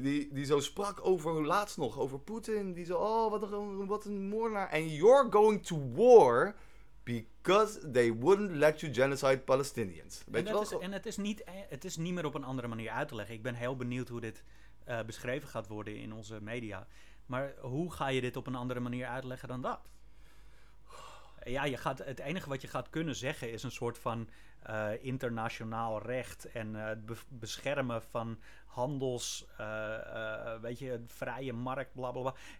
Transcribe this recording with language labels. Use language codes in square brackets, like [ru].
[nl] Die zo sprak over laatst nog, over Poetin. Die zo, oh, wat een moordenaar. [en] And you're going to war because they wouldn't let you genocide Palestinians. [nl] Het is niet meer op een andere manier uit te leggen. Ik ben heel benieuwd hoe dit beschreven gaat worden in onze media. Maar hoe ga je dit op een andere manier uitleggen dan dat? Ja, je gaat, het enige wat je gaat kunnen zeggen is een soort van internationaal recht en het beschermen van handels, weet je, vrije markt, blablabla.